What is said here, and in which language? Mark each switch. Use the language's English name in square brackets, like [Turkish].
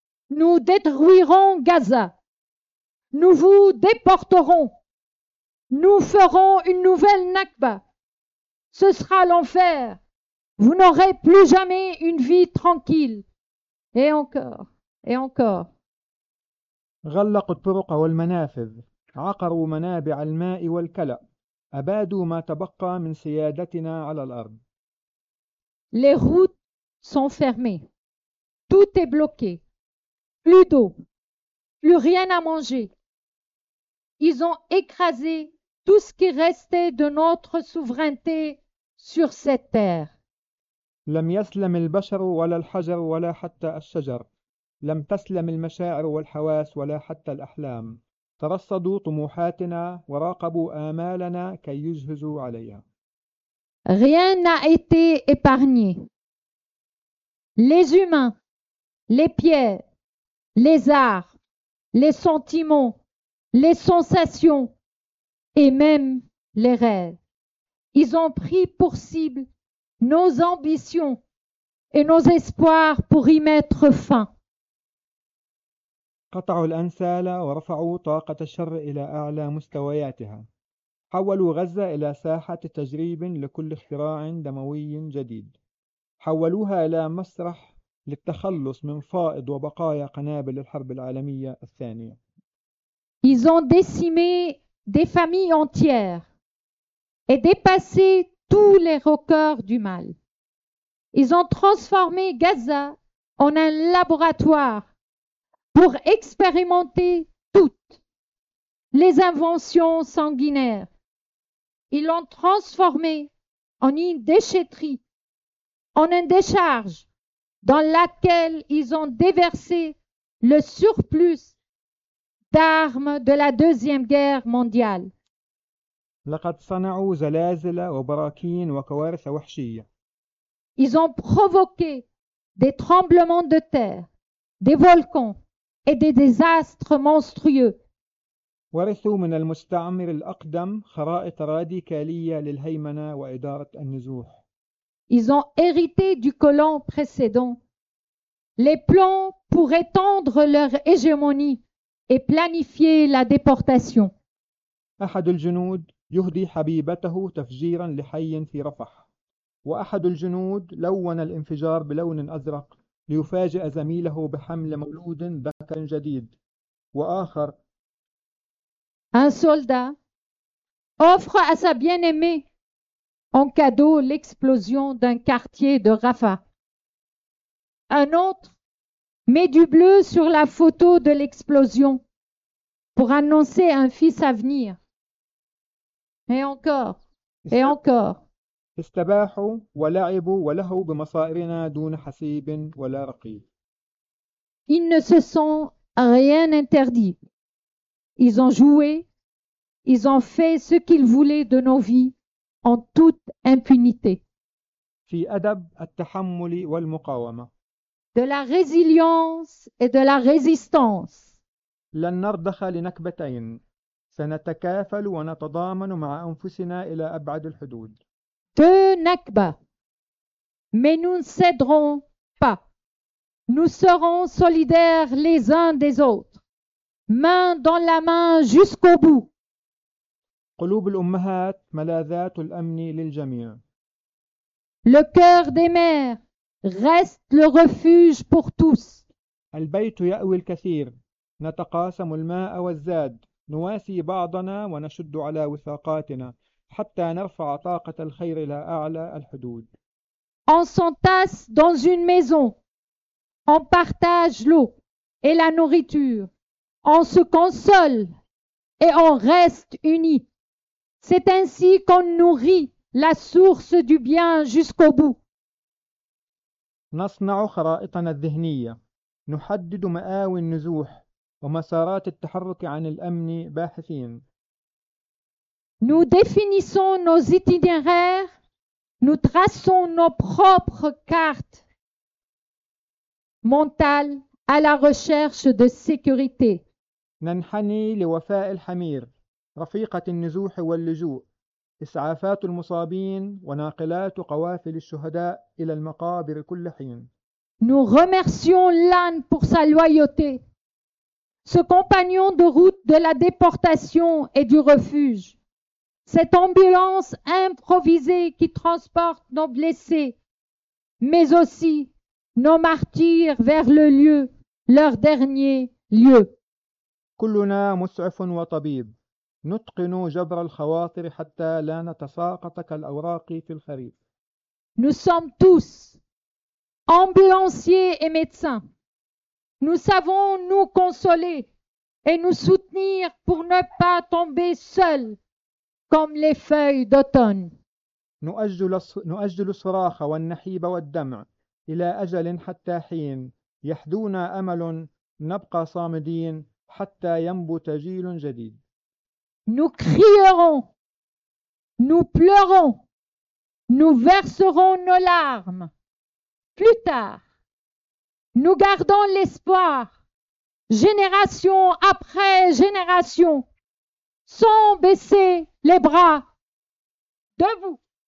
[French] Nous détruirons Gaza. Nous vous déporterons. Nous ferons une nouvelle Nakba. Ce sera l'enfer. Vous n'aurez plus jamais une vie tranquille. Et encore, et encore. [Arabic] غلقوا الطرق والمنافذ، عقروا منابع الماء والكلأ، أبادوا ما تبقى من سيادتنا على الأرض. [French] Les routes sont fermées. Tout est bloqué. Plus d'eau. Plus rien à manger. Ils ont écrasé tout ce qui restait de notre souveraineté. Sur cette terre. [Arabic] لم يسلم البشر ولا الحجر ولا حتى الشجر. لم تسلم المشاعر والحواس ولا حتى الأحلام. ترصدوا طموحاتنا وراقبوا آمالنا كي يجهزوا عليها. [French] Rien n'a été épargné. Les humains, les pierres, les arts, les sentiments, les sensations et même les rêves. Ils ont pris pour cible nos ambitions et nos espoirs pour y mettre fin. [Arabic] قطعوا الأنسال ورفعوا طاقة الشر إلى أعلى مستوياتها. حولوا غزة إلى ساحة تجريب لكل اختراع دموي جديد. حولوها إلى مسرح للتخلص من فائض وبقايا قنابل الحرب العالمية الثانية. [French] Ils ont décimé des familles entières. Et dépassé tous les records du mal. Ils ont transformé Gaza en un laboratoire pour expérimenter toutes les inventions sanguinaires. Ils l'ont transformé en une déchetterie, en une décharge dans laquelle ils ont déversé le surplus d'armes de la Deuxième Guerre mondiale. [Arabic] لقد صنعوا زلازل وبراكين وكوارث وحشية. [French] Ils ont provoqué des tremblements de terre, des volcans et des désastres monstrueux. [Arabic] ورثوا من المستعمر الأقدم خرائط راديكالية للهيمنة وإدارة النزوح. [French] Ils ont hérité du colon précédent les plans pour étendre leur hégémonie et planifier la déportation. [Arabic] أحد الجنود يهدي حبيبته تفجيرا لحي في رفح وأحد الجنود لون الانفجار بلون أزرق ليفاجئ زميله بحمل مولود ذكر جديد وآخر [French] Un soldat offre à sa bien-aimée en cadeau l'explosion d'un quartier de Rafah. Un autre met du bleu sur la photo de l'explosion pour annoncer un fils à venir. Et encore, et encore. [Arabic] استباحوا ولعبوا ولهوا بمصائرنا دون حسيب ولا رقيب. [French] Ils ne se sont rien interdit. Ils ont joué, ils ont fait ce qu'ils voulaient de nos vies en toute impunité. [Arabic] في أدب التحمل والمقاومة. [French] De la résilience et de la résistance. [Arabic] لن نرضخ لنكبتين. سنتكافل ونتضامن مع أنفسنا إلى أبعد الحدود. [French] Deux nakbas, mais nous ne céderons pas. Nous serons solidaires les uns des autres, main dans la main jusqu'au bout. [Arabic] قلوب الأمهات ملاذات الأمن للجميع. [French] Le cœur des mères reste le refuge pour tous. [Arabic] البيت يأوي الكثير. نتقاسم الماء والزاد. نواسي بعضنا ونشد على وثاقاتنا. حتى نرفع طاقة الخير إلى أعلى الحدود. [French] On s'entasse dans une maison. On partage l'eau et la nourriture. On se console et on reste unis. C'est ainsi qu'on nourrit la source du bien jusqu'au bout. [Arabic] نصنع خرائطنا الذهنية. نحدد مآوي النزوح ومسارات التحرك عن الأمن باحثين. [French] Nous définissons nos itinéraires, nous traçons nos propres cartes mentales à la recherche de sécurité. [Arabic] ننحني لوفاء الحمير, رفيقة النزوح واللجوء, إسعافات المصابين وناقلات قوافل الشهداء إلى المقابر كل حين. [French] Nous remercions l'âne pour sa loyauté, ce compagnon de route de la déportation et du refuge. Cette ambulance improvisée qui transporte nos blessés, mais aussi nos martyrs vers le lieu, leur dernier lieu. [Arabic] كلنا مسعف وطبيب. نتقن جبر الخواطر حتى لا نتساقط كالأوراق في الخريف. [French] Nous sommes tous ambulanciers et médecins. Nous savons nous consoler et nous soutenir pour ne pas tomber seuls. Comme les feuilles d'automne. [Arabic] نؤجل الصراخ والنحيب والدمع إلى أجل حتى حين يحدونا أمل نبقى صامدين حتى ينبت جيل جديد. [French] Nous crierons, nous pleurons, nous verserons nos larmes. Plus tard, nous gardons l'espoir, génération après génération. Sans baisser les bras, debout.